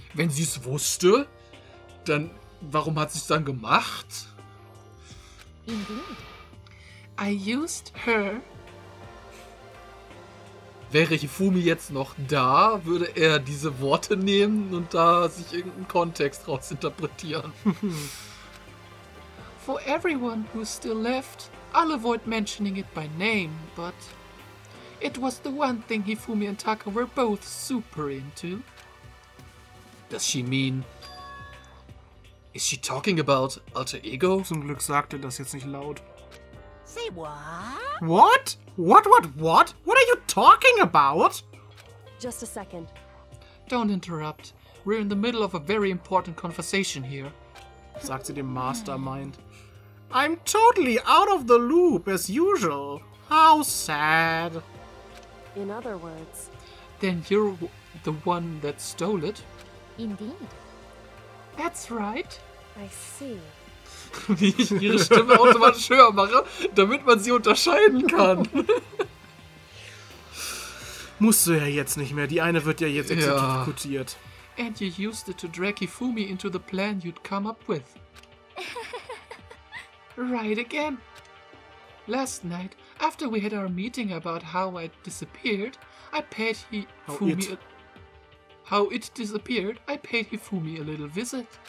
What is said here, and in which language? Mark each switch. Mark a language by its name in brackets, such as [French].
[German] Wenn sie es wusste, dann... Warum hat sie es dann gemacht? [English] I used her. [German] Wäre Ifumi jetzt noch da, würde er diese Worte nehmen und da sich irgendeinen Kontext raus interpretieren. [English] For everyone who's still left, I'll avoid mentioning it by name, but it was the one thing Ifumi and Taka were both super into. Does she mean... Is she talking about alter ego? [German] Zum Glück sagt er das jetzt nicht laut. [English] Say what? What? What, what, what? What are you talking about? Just a second. Don't interrupt. We're in the middle of a very important conversation here. [German] Sagt sie dem Mastermind. [English] I'm totally out of the loop as usual. How sad. In other words. Then you're the one that stole it. Indeed. That's right. I see. [German] Wie ich ihre Stimme automatisch höher mache, damit man sie unterscheiden kann. Musst du ja jetzt nicht mehr. Die eine wird ja jetzt exekutiert. [English] Yeah. And you used it to drag Ifumi into the plan you'd come up with. Right again. Last night, after we had our meeting about how I disappeared, I paid Ifumi... How it disappeared, I paid Ifumi a little visit.